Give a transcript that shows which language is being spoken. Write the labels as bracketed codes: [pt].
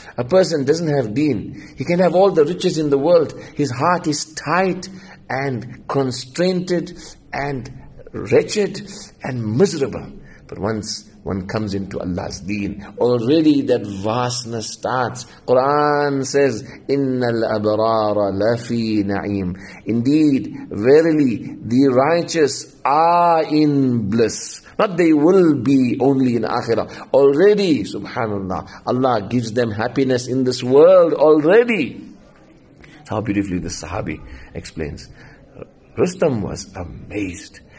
[en] A person doesn't have deen. He can have all the riches in the world. His heart is tight and constrained and wretched and miserable. But once one comes into Allah's deen, already that vastness starts. Quran says, [ar] إِنَّ الْأَبْرَارَ لَفِي نَعِيمٍ. [en] Indeed, verily, the righteous are in bliss. But they will be only in akhirah. Already, subhanallah, Allah gives them happiness in this world already. How beautifully the Sahabi explains. Rustam was amazed.